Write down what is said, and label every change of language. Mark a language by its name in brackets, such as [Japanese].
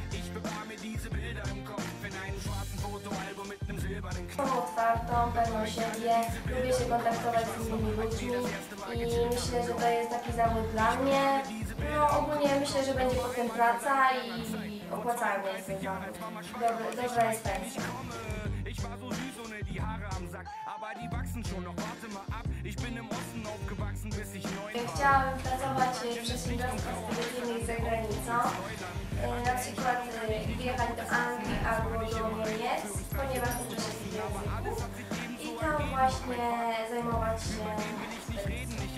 [German] Bewahr mir diese Bilder im Kopf in einem schwarzen Fotoalbum mit einem silbernen Knopf. [Polish] Otwartą, pewną siebie, lubię się kontaktować z innymi ludźmi i myślę, że to jest taki zawód dla mnie. No ogólnie myślę, że będzie potem praca i opłacalnie jest ten zawód. Dobra jest pensja. [German] Ich war so süß ohne die Haare am Sack, aber die wachsen schon noch, warte mal ab. Ich bin im Osten aufgewachsen, bis ich neu war. [Polish] Chciałabym pracować w przedsiębiorstwie za granicą. Na przykład wjechać do Anglii albo do Niemiec, ponieważ uczę się tych języków. I tam właśnie zajmować się.